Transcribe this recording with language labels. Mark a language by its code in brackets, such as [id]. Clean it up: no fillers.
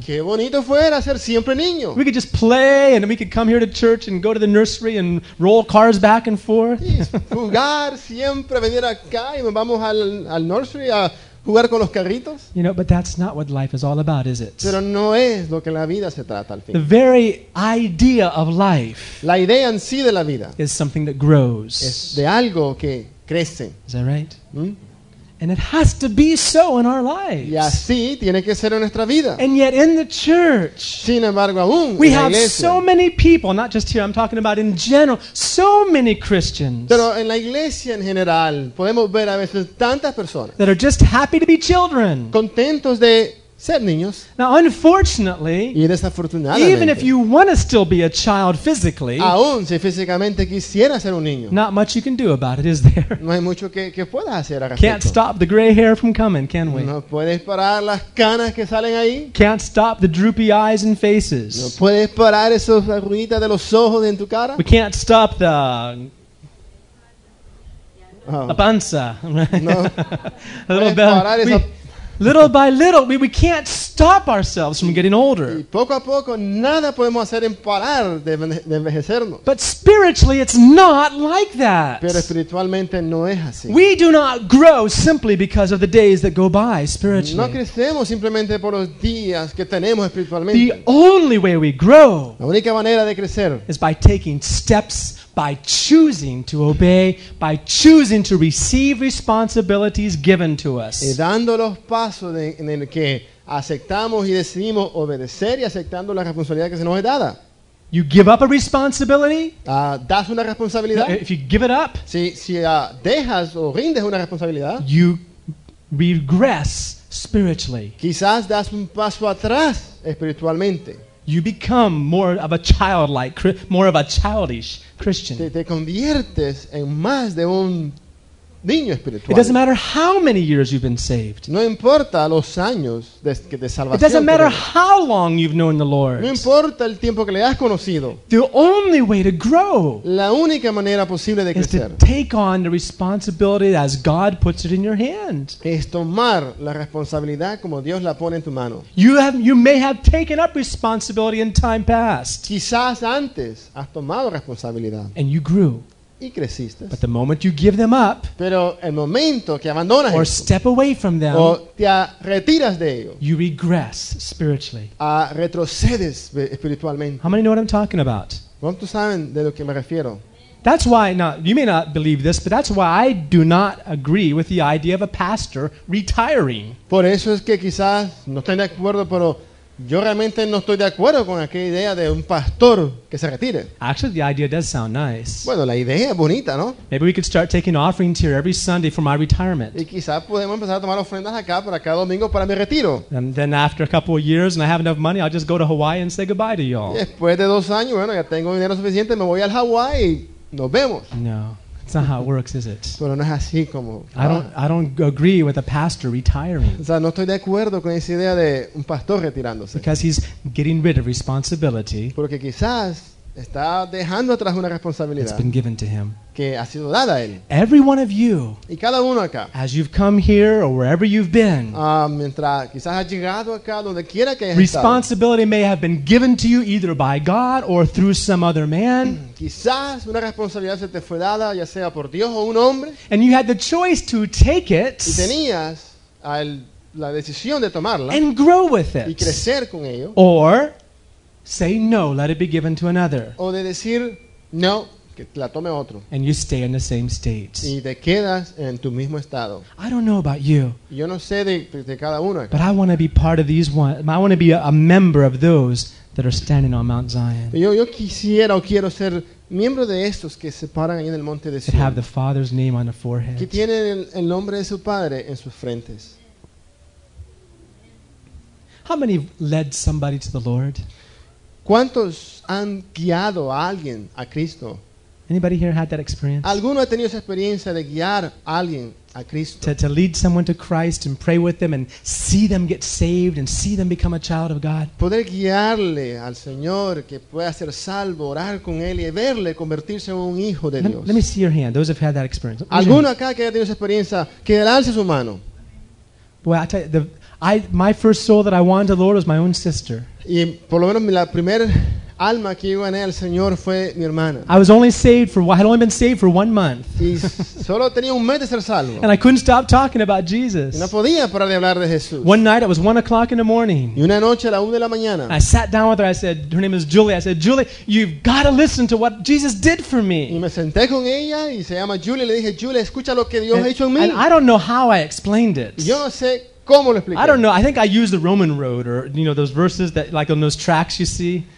[es] Qué bonito fuera ser siempre niño. [en] We could just play and we could come here to church and go to the nursery and roll cars back and forth. [es] Sí, jugar siempre, venir acá y nos vamos al nursery a jugar con los carritos. [en] You know, but that's not what life is all about, is it? [es] Pero no es lo que la vida se trata al fin. [en] The very idea of life, [es] la idea en sí de la vida, [en] is something that grows. [es] Es de algo que crece. [en] Is that right? And it has to be so in our lives. [es] Y así tiene que ser en nuestra vida. [en] And yet in the church, [es] sin embargo, aún [en] we [es] en [en] have [es] la iglesia, [en] so many people, not just here, I'm talking about in general, so many Christians. [es] Pero en la iglesia en general, podemos ver a veces tantas personas [en] that are just happy to be children. [es] Contentos de ser niños. [en] Now, unfortunately, [es] y desafortunadamente, [en] even if you want to still be a child physically, [es] aún si físicamente quisiera ser un niño, [en] not much you can do about it, is there? [es] No hay mucho que pueda hacer al respecto. [en] Can't stop the gray hair from coming, can we? [es] No puedes parar las canas que salen ahí. [en] Can't stop the droopy eyes and faces. [es] No puedes parar esas arruguitas de los ojos en tu cara. [en] We can't stop the [es] la panza. No. No puedes parar esa. [en] Little by little, we can't stop ourselves from getting older. [es] Y poco a poco, nada podemos hacer en parar de envejecernos. [en] But spiritually, it's not like that. [es] Pero espiritualmente no es así. [en] We do not grow simply because of the days that go by spiritually. [es] No crecemos simplemente por los días que tenemos espiritualmente. [en] The only way we grow, [es] la única manera de crecer, [en] is by taking steps, by choosing to obey, by choosing to receive responsibilities given to us. [es] Y dando los pasos en el que aceptamos y decidimos obedecer y aceptando la responsabilidad que se nos es dada. [en] You give up a responsibility? [es] Das una responsabilidad? [en] If you give it up, [es] si dejas o rindes una responsabilidad, [en] you regress spiritually. [es] Quizás das un paso atrás espiritualmente. [en] You become more of a childlike, more of a childish Christian. [es] Te conviertes en más de un niño espiritual. [en] It doesn't matter how many years you've been saved. [es] No importa los años de salvación. [en] It doesn't matter how long you've known the Lord. [es] No importa el tiempo que le has conocido. [en] The only way to grow, [es] la única manera posible de crecer, [en] is to take on the responsibility as God puts it in your hand. [es] Es tomar la responsabilidad como Dios la pone en tu mano. [en] You may have taken up responsibility in time past. [es] Quizás antes has tomado responsabilidad. [en] And you grew. [es] Y creciste. [en] But the moment you give them up, [es] pero el momento que abandonas, [en] or step away from them, [es] o te retiras de ellos, [en] you regress spiritually. [es] Retrocedes espiritualmente. [en] How many know what I'm talking about? [es] ¿Cuántos saben de lo que me refiero? [en] That's why, now, you may not believe this, but that's why I do not agree with the idea of a pastor retiring. [es] Por eso es que quizás no estén de acuerdo, pero yo realmente no estoy de acuerdo con aquella idea de un pastor que se retire. [en] Actually, the idea does sound nice. [es] Bueno, la idea es bonita, ¿no? [en] Maybe we could start taking offerings here every Sunday for my retirement. [es] Y quizás podemos empezar a tomar ofrendas acá para cada domingo para mi retiro. [en] And then after a couple of years and I have enough money, I'll just go to Hawaii and say goodbye to y'all. [es] Después de dos años, bueno, ya tengo dinero suficiente, me voy al Hawaii. Nos vemos. [en] No. That's not how it works, is it? [es] Pero no es así como, [en] I don't agree with a pastor retiring. [es] O sea, no estoy de acuerdo con esa idea de un pastor retirándose. [en] Because he's getting rid of responsibility. [es] Porque quizás está dejando atrás una responsabilidad. [en] That's been given to him. [es] Que ha sido dada a él. [en] Every one of you. [es] Y cada uno acá. [en] As you've come here or wherever you've been. [es] Mientras quizás has llegado acá, donde quiera que hayas [en] responsibility [es] estado, [en] may have been given to you either by God or through some other man. [es] Quizás una responsabilidad se te fue dada, ya sea por Dios o un hombre. [en] And you had the choice to take it. [es] Y tenías la decisión de tomarla. [en] And grow with it. [es] Y crecer con ello. [en] Or say no, let it be given to another. [es] O de decir no, que la tome otro. [en] And you stay in the same state. [es] Y te quedas en tu mismo estado. [en] I don't know about you. [es] Yo no sé de cada uno. [en] But I want to be part of these ones. I want to be a member of those that are standing on Mount Zion. [es] Yo quisiera o quiero ser miembro de estos que se paran ahí en el monte de Sion. [en] That have the Father's name on their foreheads. [es] Que tienen el nombre de su Padre en sus frentes. [en] How many led somebody to the Lord? [es] ¿Cuántos han guiado a alguien a Cristo? [en] Anybody here had that experience? [es] ¿Alguno ha tenido esa experiencia de guiar a alguien a Cristo? [en] To lead someone to Christ and pray with them and see them get saved and see them become a child of God. [es] Poder guiarle al Señor que pueda ser salvo, orar con él y verle convertirse en un hijo de Dios. [en] Let me see your hand. Those have had that experience. [es] ¿Alguno acá que haya tenido esa experiencia, que alce su mano? [en] Well, I tell you, my first soul that I wanted to the Lord was my own sister. [es] Y por lo menos la primer alma que iba a ganar al Señor fue mi hermana. [en] I was only saved for, I had only been saved for 1 month. [es] Y solo tenía un mes de ser salvo. [en] And I couldn't stop talking about Jesus. [es] Y no podía parar de hablar de Jesús. [en] One night, it was 1 o'clock in the morning. [es] Y una noche a la 1 de la mañana. [en] I sat down with her, I said, her name is Julie. I said, Julie, you've got to listen to what Jesus did for me. [es] Y me senté con ella y se llama Julie. Le dije, Julie, escucha lo que Dios ha hecho en mí. [en] And I don't know how I explained it. [es] Yo no sé. ¿Cómo lo expliqué? [en] I don't know. I think I used the Roman road or, you know, those verses that, like on those tracks you see.